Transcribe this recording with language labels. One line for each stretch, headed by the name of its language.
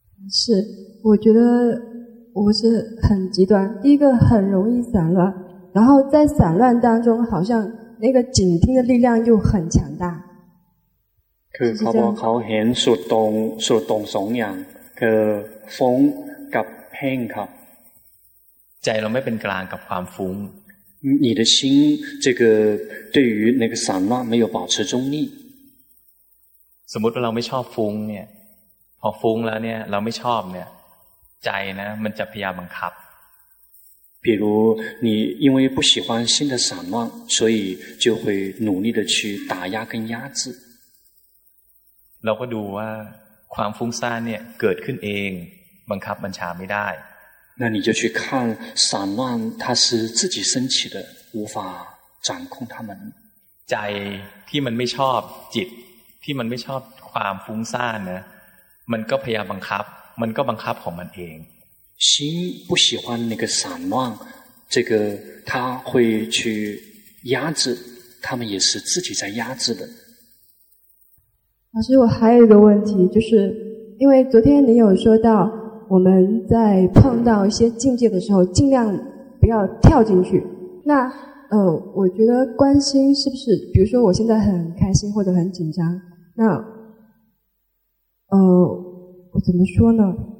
Chinese: 是我觉得我是很极端第一个很容易散乱然后在散乱当中好像那个紧盯的力量又很强大
Thai: คือเขาบอกเขาเห็นสุดตรงสองอย่างคือฟุ้งกับเพ่งครับ ใจเราไม่เป็นกลางกับความฟุ้ง
Chinese: 你的心这个对于那个散乱没有保持中立
Thai: สมมติว่าเราไม่ชอบฟุ้งเนี่ยพอฟุ้งแล้วเนี่ยเราไม่ชอบเนี่ยใจนะมันจะพยายามบังคับ
Chinese: 比如你因为不喜欢心的散乱所以就会努力的去打压跟压制
Thai: เราก็ดูว่าความฟุ้งซ่านเนี่ยเกิดขึ้นเองบังคับบัญชาไม่ได้
Chinese: 那你就去看散乱它是自己升起的无法掌控它们
Thai: ใจที่มันไม่ชอบจิตที่มันไม่ชอบความฟุ้งซ่านนะมันก็พยายามบังคับมันก็บังคับของมันเอง
Chinese: 心不喜欢那个散乱这个他会去压制他们也是自己在压制的老师我还有一个问题就是因为昨天你有说到我们在碰到一些境界的时候尽量不要跳进去那我觉得关心是不是比如说我现在很开心或者很紧张那我怎么说呢